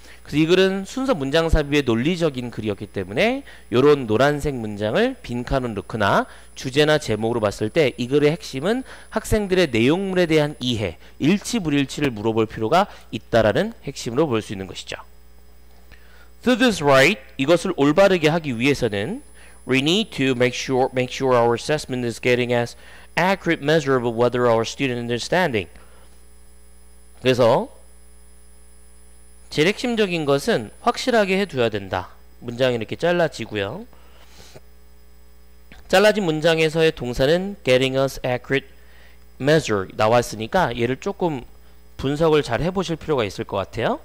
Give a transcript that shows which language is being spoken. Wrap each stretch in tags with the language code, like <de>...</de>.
<ko>그래서 이 글은 순서 문장 삽입의 논리적인 글이었기 때문에 이런 노란색 문장을 빈칸으로 넣거나 주제나 제목으로 봤을 때 이 글의 핵심은 학생들의 내용물에 대한 이해, 일치불일치를 물어볼 필요가 있다라는 핵심으로 볼 수 있는 것이죠.</ko> <en>So this right,</en> <ko>이것을 올바르게 하기 위해서는</ko> <en>We need to make sure our assessment is getting as accurate measure of whether our student understanding.</en> <ko>그래서 제일 핵심적인 것은 확실하게 해둬야 된다. 문장이 이렇게 잘라지고요. 잘라진 문장에서의 동사는</ko> <en>getting us accurate measure</en> <ko>나왔으니까 얘를 조금 분석을 잘 해보실 필요가 있을 것 같아요.</ko>